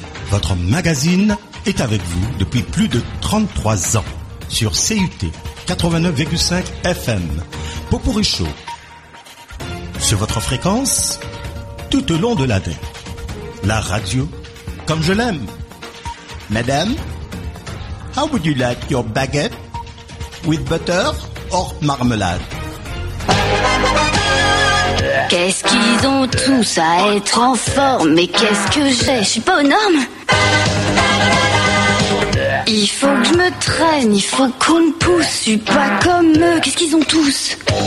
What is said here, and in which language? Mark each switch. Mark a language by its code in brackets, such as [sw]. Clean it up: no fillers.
[fr] Votre magazine est avec vous depuis plus de 33 ans. Sur CUT 89,5 FM, Popourri Show, sur votre fréquence, tout au long de l'année, la radio, comme je l'aime. [en] Madame, how would you like your baguette, with butter or marmalade? [fr] Qu'est-ce qu'ils ont tous à être en forme, mais qu'est-ce que j'ai, je suis pas un homme. Il faut que je me traîne, il faut qu'on me pousse. Je suis pas comme eux, qu'est-ce qu'ils ont tous?